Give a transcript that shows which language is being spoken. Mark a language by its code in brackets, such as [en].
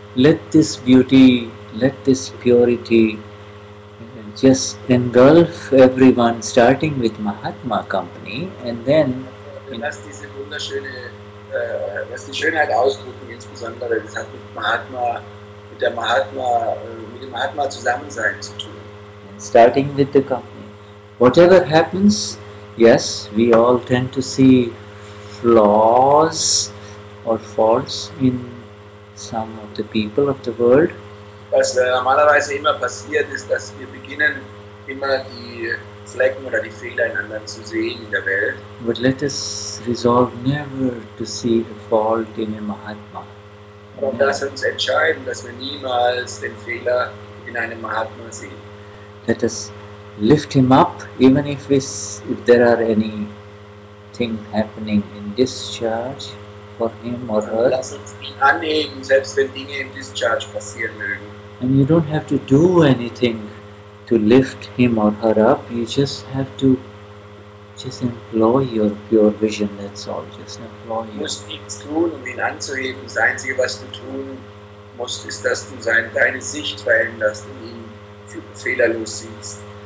[en] Let this purity just engulf everyone, starting with Mahatma company, and then. [de] Lass diese wunderschöne, lass die Schönheit ausdrücken, insbesondere das hat mit dem Mahatma Zusammensein zu tun. [en] Starting with the company, whatever happens, yes, we all tend to see flaws or faults in some of the people of the world. [de] Was normalerweise immer passiert ist, dass wir beginnen, immer die Flecken oder die Fehler in anderen zu sehen in der Welt. [en] But let us resolve never to see a fault in a Mahatma. [de] Aber lass uns entscheiden, dass wir niemals den Fehler in einem Mahatma sehen. [en] Let us lift him up, even if there are any thing happening in discharge for him or her. [de] Lass uns ihn anheben, selbst wenn Dinge im Discharge passieren mögen. [en] And you don't have to do anything to lift him or her up. You just have to just employ your pure vision. That's all. Just employ [de] it. Musst nichts tun, um ihn anzuheben. Das Einzige, was du tun musst, ist, dass du deine Sicht veränderst und ihn fehlerlos siehst.